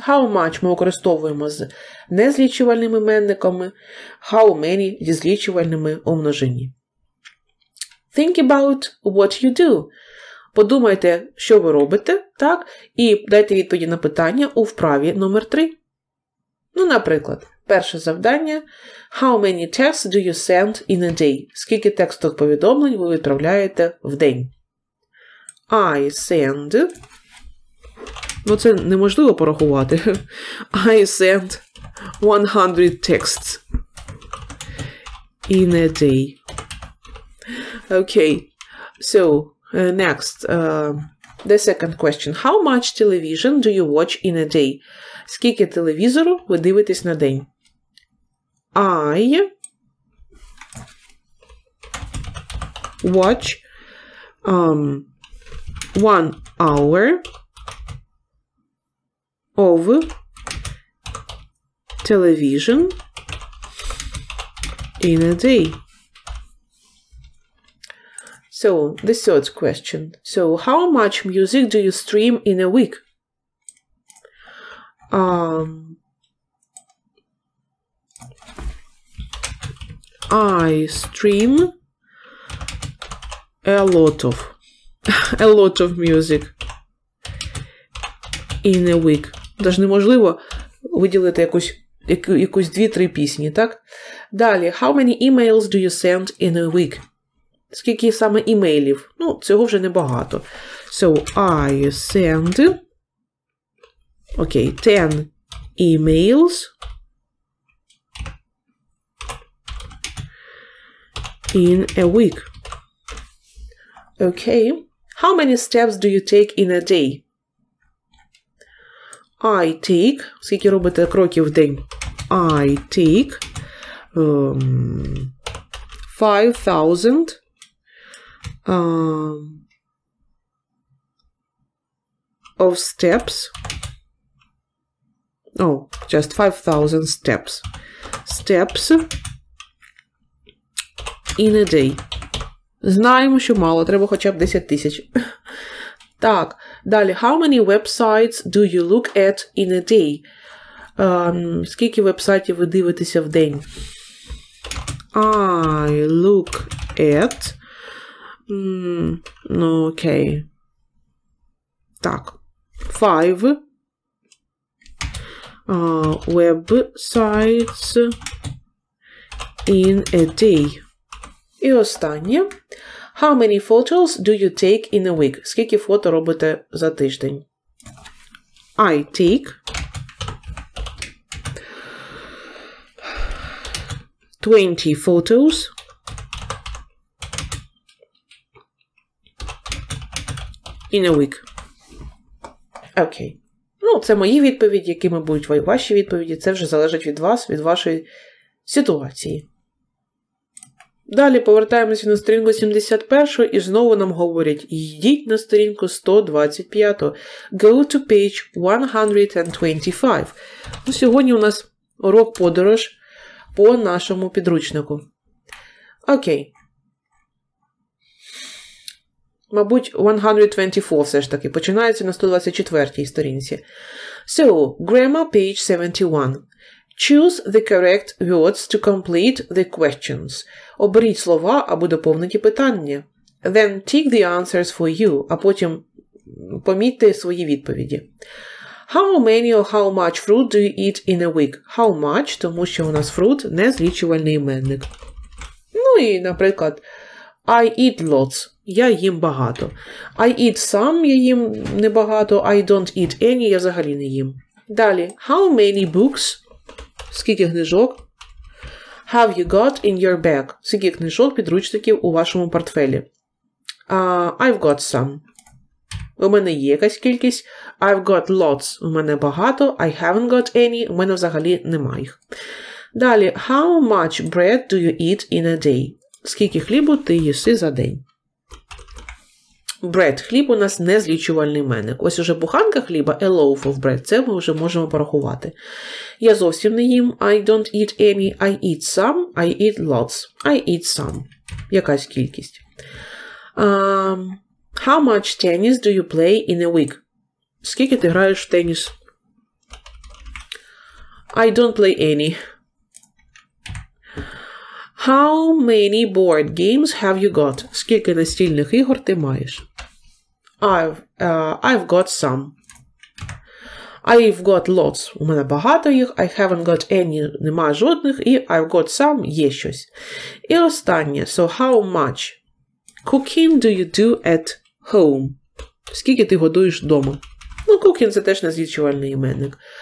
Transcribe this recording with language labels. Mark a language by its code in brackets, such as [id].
[en] How much [uk] ми використовуємо з незлічувальними іменниками, [en] how many [uk] зі злічувальними у множині. [en] Think about what you do. [uk] Подумайте, що ви робите, так? І дайте відповіді на питання у вправі номер 3. Ну, наприклад, перше завдання. [en] How many texts do you send in a day? [uk] Скільки текстових повідомлень ви відправляєте в день? [en] I send... [uk] Ну, це неможливо порахувати. [en] I send 100 texts in a day. Okay, so next, the second question. How much television do you watch in a day? [uk] Скільки телевізору ви дивитесь на день? [en] I watch 1 hour of television in a day. So, the third question. So, how much music do you stream in a week? I stream a lot of music in a week. [uk] Даже неможливо виділити якусь 2-3 пісні, так? Далі, [en] how many emails do you send in a week? [uk] Скільки саме імейлів? Ну, цього вже небагато. [en] So, I send 10 emails in a week. Okay, how many steps do you take in a day? I take, [uk] скільки робите кроків в день? [en] I take 5000 of steps. Oh, just 5000 steps. Steps in a day. [uk] Знаємо, що мало, треба хоча б 10 тисяч. Так, далі. [en] How many websites do you look at in a day? [uk] Скільки вебсайтів ви дивитеся в день? [en] I look at... Okay. [uk] Так. [en] Five websites in a day. [uk] І останнє. [en] How many photos do you take in a week? [uk] Скільки фото робите за тиждень? [en] I take 20 photos in a week. [uk] Окей. Ну, це мої відповіді, якими будуть ваші відповіді. Це вже залежить від вас, від вашої ситуації. Далі повертаємося на сторінку 71 і знову нам говорять, йдіть на сторінку 125. [en] Go to page 125. [uk] Ну, сьогодні у нас урок-подорож по нашому підручнику. Окей. Мабуть, 124 все ж таки. Починається на 124 сторінці. [en] So, grammar page 71. Choose the correct words to complete the questions. [uk] Оберіть слова або доповніть питання. [en] Then tick the answers for you, [uk] а потім помітьте свої відповіді. [en] How many or how much fruit do you eat in a week? How much, [uk] тому що у нас fruit не злічувальний іменник. Ну і, наприклад, [en] I eat lots. [uk] Я їм багато. [en] I eat some, [uk] я їм небагато. [en] I don't eat any, [uk] я взагалі не їм. Далі. [en] How many books? [uk] Скільки книжок? [en] Have you got in your bag? [uk] Скільки книжок, підручників у вашому портфелі? [en] I've got some. [uk] У мене є якась кількість. [en] I've got lots. [uk] У мене багато. [en] I haven't got any. [uk] У мене взагалі немає їх. Далі. [en] How much bread do you eat in a day? [uk] Скільки хлібу ти їси за день? Бред. Хліб у нас не злічувальний іменник. Ось уже буханка хліба, [en] a loaf of bread, [uk] це ми вже можемо порахувати. Я зовсім не їм, [en] I don't eat any, I eat some, I eat lots, I eat some. [uk] Якась кількість. [en] How much tennis do you play in a week? [uk] Скільки ти граєш в теніс? [en] I don't play any. How many board games have you got? [uk] Скільки настільних ігор ти маєш? [en] I've got some. I've got lots. [uk] У мене багато їх. [en] I haven't got any. [uk] Нема жодних. [en] І I've got some. [uk] Є щось. І останнє. [en] So how much cooking do you do at home? [uk] Скільки ти годуєш вдома? Ну, cooking це теж незлічувальний іменник.